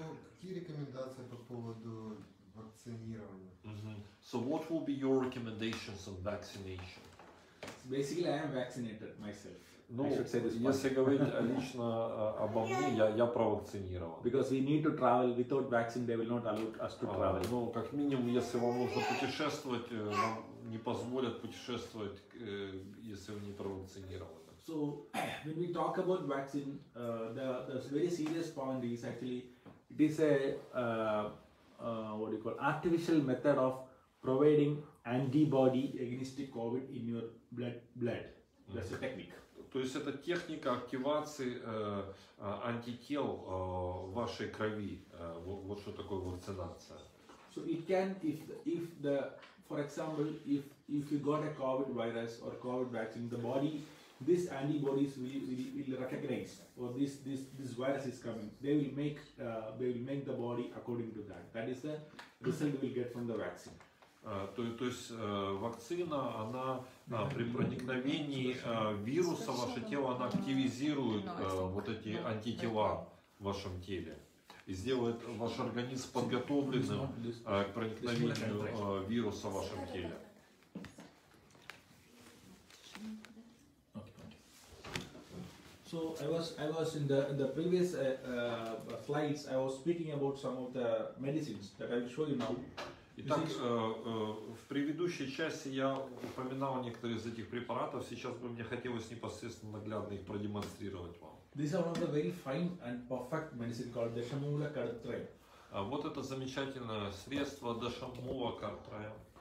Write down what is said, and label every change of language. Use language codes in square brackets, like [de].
[ru] Какие рекомендации по поводу вакцинирования? [en] So what will be your recommendations on vaccination? Basically, I am vaccinated myself. [ru] Ну, если говорить лично обо мне, я провакцинирован. [en] Because we need to travel. Without vaccine, they will not allow us to travel. [ru] Ну, как минимум, если вам нужно путешествовать, вам не позволят путешествовать, если вы не провакцинированы. [en] So, when we talk about vaccine, the very serious point is actually, it is a what do you call artificial method of providing antibody against the COVID in your blood. That's a technique. [ru] То есть это техника активации антител в вашей крови. Вот что такое вакцинация. [en] So it can if the for example if you got a COVID virus or COVID vaccine, the body, these antibodies will recognize, or this virus is coming. They will make the body according to that. That is the result we'll get from the vaccine. [ru] То есть вакцина, она при проникновении вируса в ваше тело, она активизирует вот эти антитела в вашем теле и сделает ваш организм подготовленным к проникновению вируса в вашем теле. [en] So I was in the previous slides, I was speaking about some of the medicines that I will show you now. [ru] Итак, в предыдущей части я упоминал некоторые из этих препаратов. Сейчас бы мне хотелось непосредственно наглядно их продемонстрировать вам. [en] These are one of the very fine and perfect medicine called дешамулакатрайм. [ru] Вот это замечательное средство дешамулакатрайм.